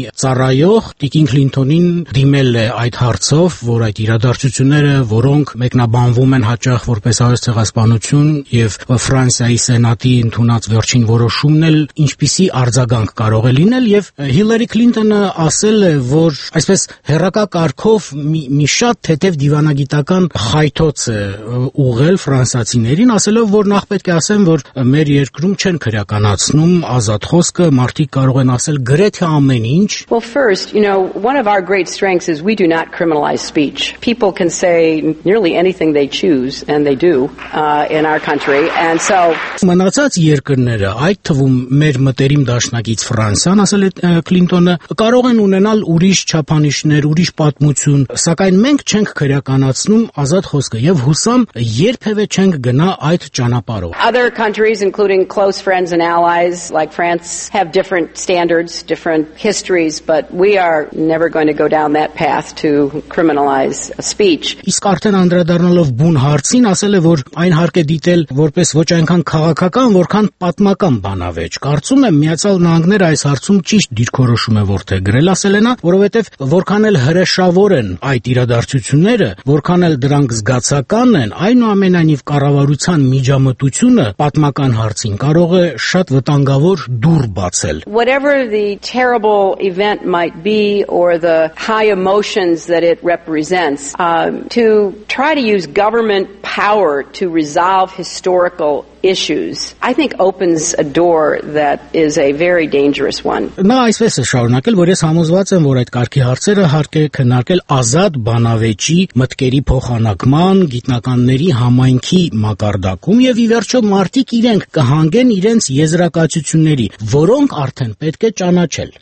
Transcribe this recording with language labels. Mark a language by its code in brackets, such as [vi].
[hy] ծառայող Տիկին Քլինտոնին դիմել է այդ հարցով, որ այդ իրադարձությունները, որոնք մեկնաբանվում են հաճախ որպես հայոց ցեղասպանություն և Ֆրանսիայի սենատի ընդունած վերջին որոշումն էլ ինչպիսի արձագանք կարող է լինել, և Հիլարի Քլինտոնը ասել է, որ այսպես հերակա կարգով մի շատ թեթև դիվանագիտական խայթոց է ուղել ֆրանսացիներին, ասելով, որ նախ պետք է ասեմ, որ մեր երկրում չեն քրեականացնում ազատ խոսքը, մարդիկ կարող են ասել գրեթե ամեն ինչ։ [en] Well, first, you know, one of our great strengths is we do not criminalize speech. People can say nearly anything they choose. And they do in our country, and so. [hy] Մնացած երկրները, այդ թվում մեր մտերիմ դաշնակից Ֆրանսիան, ասել է Քլինտոնը, կարող են ունենալ ուրիշ չափանիշներ, ուրիշ պատմություն, սակայն մենք չենք քրեականացնում ազատ խոսքը, և հուսամ երբևէ չենք գնա այդ ճանապարհով. [en] Other countries, including close friends and allies like France, have different standards, different histories, but we are never going to go down that path to criminalize speech. [hy] Իսկ արդեն անդրադառնալով բուն հարցին, ասել է, որ այն հարկ է դիտել որպես ոչ այնքան քաղաքական, որքան պատմական բանավեճ։ Կարծում եմ, Միացյալ Նահանգները այս հարցում ճիշտ դիրքորոշում է որդե գրել, ասել է նա, որովհետև որքան էլ հրեշավոր են այդ իրադարձությունները, որքան էլ դրանք զգացական են, այնուամենայնիվ կառավարության միջամտությունը պատմական հարցին կարող է շատ վտանգավոր դուռ բացել։ [en] Whatever the terrible event might be or the high emotions that it represents, to try to use government power to resolve historical issues, I think opens a door that is a very dangerous one. [hy] Նա այսպես է շարունակել, որ ես համոզված եմ, որ այդ կարգի հարցերը հարկ է քննարկել ազատ բանավեճի մտքերի փոխանակման, գիտնականների համայնքի մակարդակում, և ի վերջո մարդիկ իրենք կհանգեն իրենց եզրակացությունների, որոնք արդեն պետք է ճանաչել։